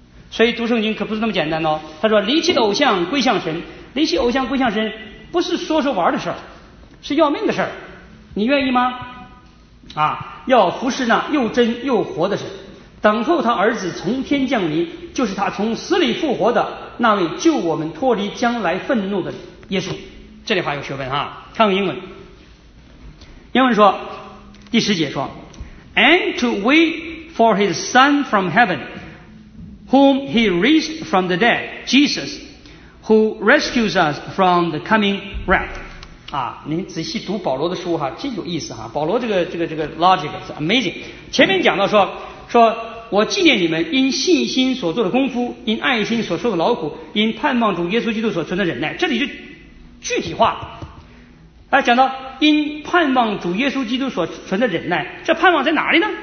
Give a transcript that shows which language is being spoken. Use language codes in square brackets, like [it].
[zh] 所以读圣经可不是那么简单哦。他说离弃的偶像归向神，离弃偶像归向神不是说说玩的事儿，是要命的事儿。你愿意吗？啊，要服侍那又真又活的神，等候他儿子从天降临，就是他从死里复活的那位救我们脱离将来愤怒的耶稣。这里话有学问啊，看看英文。英文说第十节说 [en] And to wait for his son from heaven whom he raised from the dead Jesus who rescues us from the coming wrath。 [zh] 啊，您仔细读保罗的书哈，这有意思哈。保罗这个 [en] logic is amazing。 [zh] 前面讲到说我纪念你们因信心所做的功夫，因爱心所受的劳苦，因盼望主耶稣基督所存的忍耐。这里就具体化了，讲到因盼望主耶稣基督所存的忍耐，这盼望在哪里呢？